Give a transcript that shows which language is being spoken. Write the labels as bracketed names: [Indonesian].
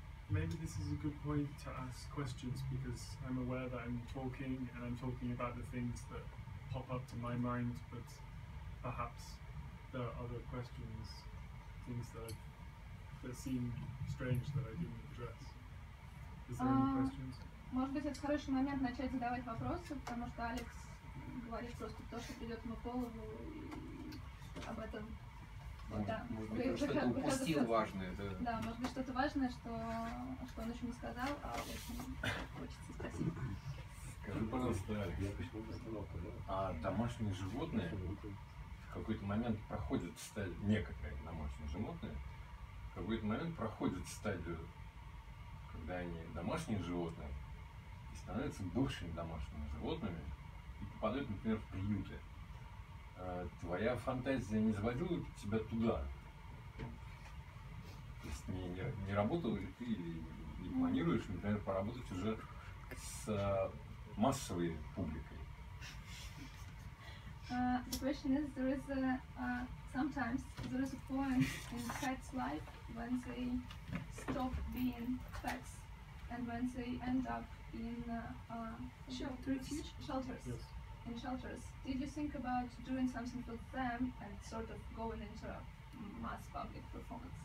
[English] Maybe this is a good point to ask questions, because I'm aware that I'm talking, and I'm talking about the things that pop up to my mind, but perhaps there are other questions, things that seem strange that I didn't address. Is there any questions? [Russian] Может быть, это хороший момент начать задавать вопросы, потому что Алекс говорит просто то, что придет ему в голову, и об этом. Может быть, что-то упустил важное. Да, может быть, что-то важное, что он еще не сказал, а очень хочется спросить. Скажи, пожалуйста, я почему остановка, да? А домашние животные в какой-то момент проходят стадию, некоторые домашние животные, в какой-то момент проходят стадию, когда они домашние животные и становятся бывшими домашними животными и попадают, например, в приюты. Твоя фантазия не заводила тебя туда? То есть не работал ли ты или планируешь, например, поработать уже с массовой публикой? [English] The question is, there is a sometimes there is a point in cat's life when they stop being pets and when they end up in shelters. Yes. In shelters. Did you think about doing something for them and sort of going into a mass public performance?